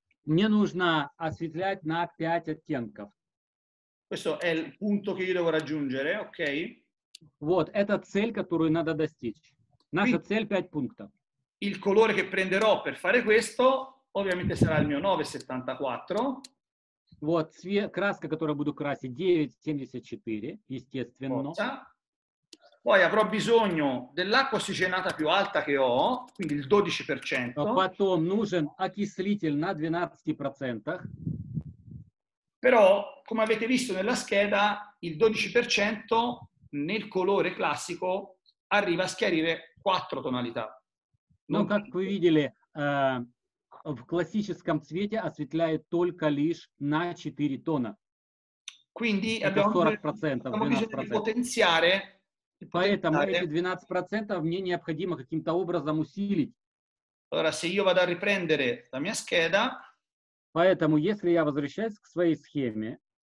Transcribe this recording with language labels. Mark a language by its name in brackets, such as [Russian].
[Russian] Мне нужно осветлять на 5 оттенков. [Italian] Questo è il punto che io devo raggiungere, ok? [Russian] Вот, это цель, которую надо достичь. Наша quindi, цель 5 пунктов. [Italian] Il colore che prenderò per fare questo ovviamente sarà il mio 974. [Russian] Вот, цвет, краска, которую буду красить, 974, естественно. [Italian] Forza. Poi avrò bisogno dell'acqua ossigenata più alta che ho, quindi il 12%. [Russian] Потом нужен окислитель на 12%. [Italian] Però, come avete visto nella scheda, il 12% nel colore classico arriva a schiarire 4 tonalità. Non no, come vedete, [Russian] в классическом цвете осветляет только лишь на 4 тона. [Italian] Quindi [Russian] это 40%, 12%. [Italian] Potenziare, [Russian] поэтому эти 12% мне необходимо каким-то образом усилить. [Italian] Allora, se io vado a riprendere la mia scheda, [Russian] поэтому если я возвращаюсь к своей схеме,